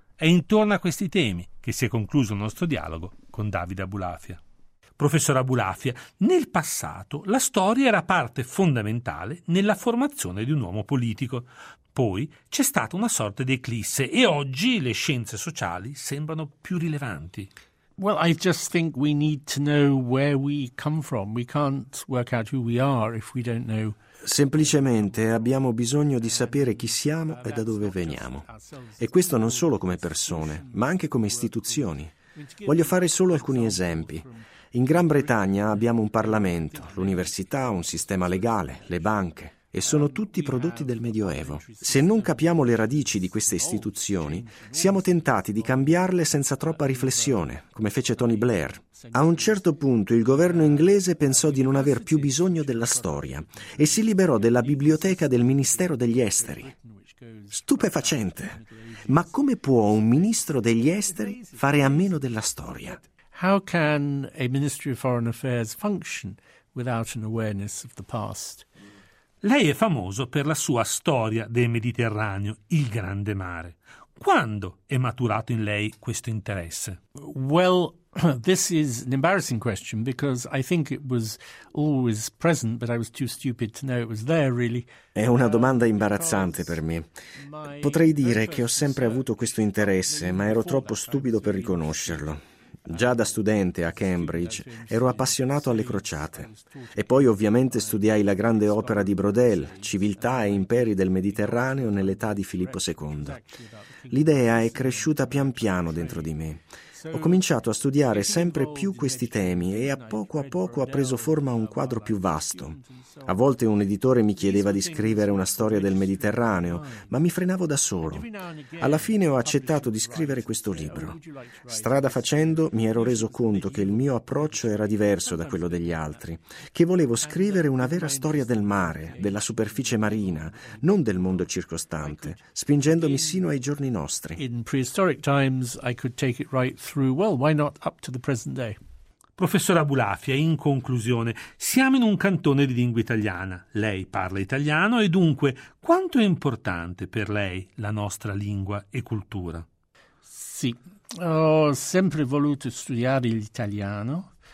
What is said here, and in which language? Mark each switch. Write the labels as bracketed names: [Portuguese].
[Italian] È intorno a questi temi che si è concluso il nostro dialogo con Davide Abulafia. Professor Abulafia, nel passato la storia era parte fondamentale nella formazione di un uomo politico. Poi c'è stata una sorta di eclisse e oggi le scienze sociali sembrano più rilevanti. [English] Well, I just think we need to know where we come from. We can't work out who we are if we don't know. [Italian] Semplicemente abbiamo bisogno di sapere chi siamo e da dove veniamo. E questo non solo come persone, ma anche come istituzioni. Voglio fare solo alcuni esempi. In Gran Bretagna abbiamo un Parlamento, l'università, un sistema legale, le banche. E sono tutti prodotti del Medioevo. Se non capiamo le radici di queste istituzioni, siamo tentati di cambiarle senza troppa riflessione, come fece Tony Blair. A un certo punto il governo inglese pensò di non aver più bisogno della storia e si liberò della biblioteca del Ministero degli Esteri. Stupefacente! Ma come può un ministro degli Esteri fare a meno della storia? [English] How can a Ministry of Foreign Affairs function without an awareness of the past? [Italian] Lei è famoso per la sua storia del Mediterraneo, il Grande Mare. Quando è maturato in lei questo interesse? [English] Well, this is an embarrassing question because I think it was always present, but I was too stupid to know it was there really. [Italian] È una domanda imbarazzante per me. Potrei dire che ho sempre avuto questo interesse, ma ero troppo stupido per riconoscerlo. Già da studente a Cambridge ero appassionato alle crociate. E poi ovviamente studiai la grande opera di Brodel, Civiltà e Imperi del Mediterraneo nell'età di Filippo II. L'idea è cresciuta pian piano dentro di me. Ho cominciato a studiare sempre più questi temi e a poco ha preso forma un quadro più vasto. A volte un editore mi chiedeva di scrivere una storia del Mediterraneo, ma mi frenavo da solo. Alla fine ho accettato di scrivere questo libro. Strada facendo mi ero reso conto che il mio approccio era diverso da quello degli altri, che volevo scrivere una vera storia del mare, della superficie marina, non del mondo circostante, spingendomi sino ai giorni nostri. [English] In prehistoric times I could take it right through, well, why not up to the present day? [Italian] Professor Abulafia, in conclusione, siamo in un cantone di lingua italiana. Lei parla italiano e dunque, quanto è importante per lei la nostra lingua e cultura? Sì, ho sempre voluto studiare l'italiano.